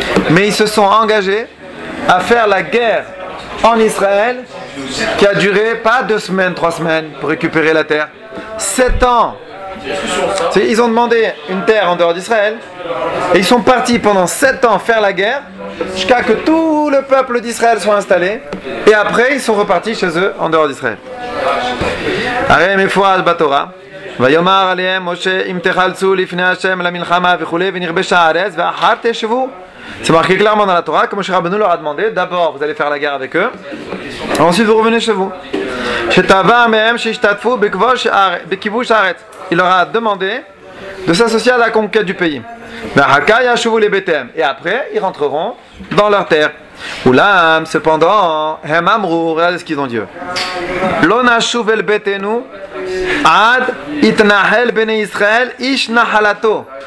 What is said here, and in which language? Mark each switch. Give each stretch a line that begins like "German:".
French: Mais ils se sont engagés à faire la guerre en Israël qui a duré pas deux semaines, trois semaines pour récupérer la terre. Sept ans. C'est, ils ont demandé une terre en dehors d'Israël et ils sont partis pendant sept ans faire la guerre jusqu'à que tout le peuple d'Israël soit installé et après ils sont repartis chez eux en dehors d'Israël. Arem et Fouad Batora.
Hebrew: ויאמר עליהם משה אם תחלצו לפני השם למלחמה וכולי ונרבש הארץ ואחר תשבו.
French: C'est marqué clairement dans la Torah, comme Moshe Rabbeinu leur a demandé, d'abord vous allez faire la guerre avec eux, ensuite vous revenez chez vous.
Hebrew: שתבא מהם שישתתפו בכיבוש הארץ.
French: Il leur a demandé de s'associer à la conquête du pays.
Hebrew: ואחר כך ישובו לביתם.
French: Et après, ils rentreront dans leur terre.
Hebrew: אולם,
French: cependant,
Hebrew: הם אמרו,
French: regardez ce qu'ils ont dit.
Hebrew: לא נשוב אל ביתנו Ad itnahel bene Israël ish nahalato.